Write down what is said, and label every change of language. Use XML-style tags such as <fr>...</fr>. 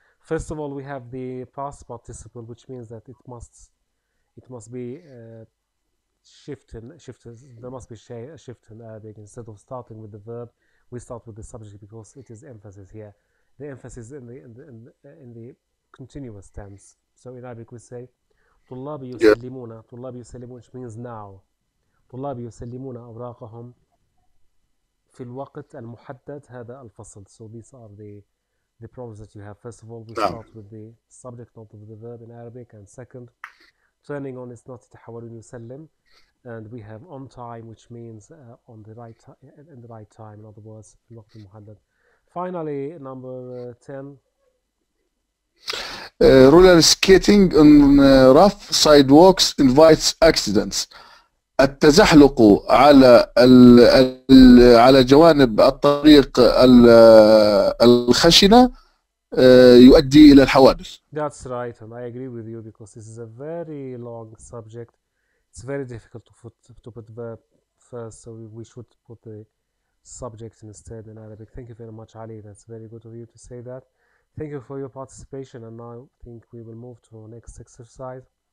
<en>First of all, we have the past participle, which means that it must be shifted. There must be a shift in Arabic. Instead of starting with the verb, we start with the subject because it is emphasis here. The emphasis in the continuous tense. So in Arabic we say,</en> <ar>طلاب يسلمون. طلاب يسلمون,</ar> <en>which means now.</en> <ar>طلاب يسلمون أوراقهم في الوقت المحدد هذا الفصل.</ar> <en>So these are the problems that you have. First of all, we start with the subject, not with the verb in Arabic. And second, turning on is not</en> <ar>تحولون يسلم.</ar> <en>And we have on time, which means on the right in the right time. In other words,</en> <ar>الوقت المحدد.</ar> <en>Finally, number 10. Roller skating on rough sidewalks invites accidents.</en> <ar>التزحلق على على جوانب الطريق الخشنة يؤدي إلى الحوادث.</ar> <en>That's right, and I agree with you because this is a very long subject. It's very difficult to put the verb first, so we should put the subject instead in Arabic. Thank you very much, Ali. That's very good of you to say that. Thank you for your participation, and now I think we will move to our next exercise.</en>